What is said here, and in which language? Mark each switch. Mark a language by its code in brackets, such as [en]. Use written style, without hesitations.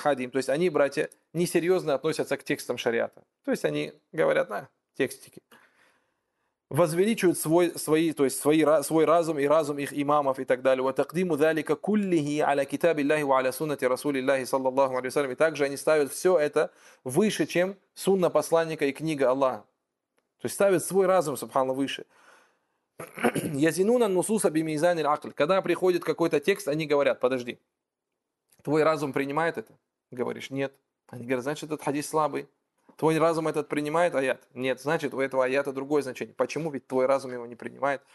[ru] То есть они, братья, несерьезно относятся к текстам шариата. То есть они говорят, на, текстики. Возвеличивают свой разум и разум их имамов и так далее. [ar] وَتَقْدِيمُ ذَلِكَ كُلِّهِ عَلَى كِتَابِ اللَّهِ وَعَلَى سُنَّةِ رَسُولِ اللَّهِ صَلَّى اللَّهُ عَلَيْهِ وَسَلَّمِ. [ru] И также они ставят все это выше, чем сунна посланника и книга Аллаха. То есть ставят свой разум, субханаллах, выше. [ar] Язинуна нусуса бимизан аль-акль. [ru] Когда приходит какой-то текст, они говорят: подожди, твой разум принимает это? Говоришь: нет. Они говорят: значит, этот хадис слабый. Твой разум этот принимает аят? Нет. Значит, у этого аята другое значение. Почему? Ведь твой разум его не принимает.